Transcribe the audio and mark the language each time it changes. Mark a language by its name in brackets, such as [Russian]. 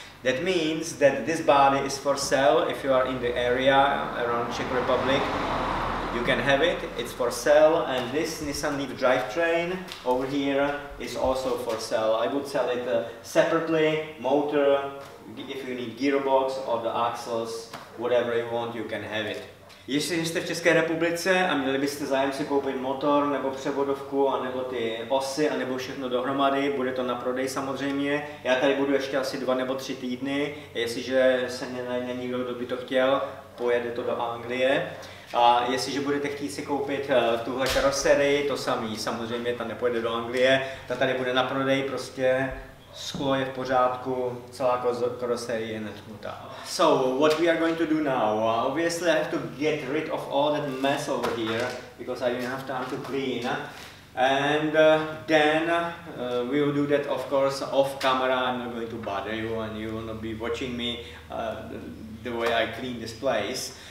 [English] That means that this body is for sale. If you are in the area around Czech Republic, you can have it. It's for sale. And this Nissan Leaf drivetrain over here is also for sale. I would sell it separately, motor, if you need gearbox or the axles, whatever you want, you can have it. [Czech] Jestli jste v České republice a měli byste zájem si koupit motor nebo převodovku a nebo ty osy a nebo všechno dohromady, bude to na prodej samozřejmě. Já tady budu ještě asi 2 nebo 3 týdny, jestliže se nenajde nikdo, kdo by to chtěl, pojede to do Anglie. A jestliže budete chtít si koupit tuhle karoserii, to samý, samozřejmě ta nepojede do Anglie, ta tady bude na prodej prostě. Sklo je v pořádku, celá karoserie je netknutá. [English] So, what we are going to do now? Obviously, I have to get rid of all that mess over here, because I didn't have time to clean. And then we will do that, of course, off camera. I'm not going to bother you, and you will not be watching me the way I clean this place.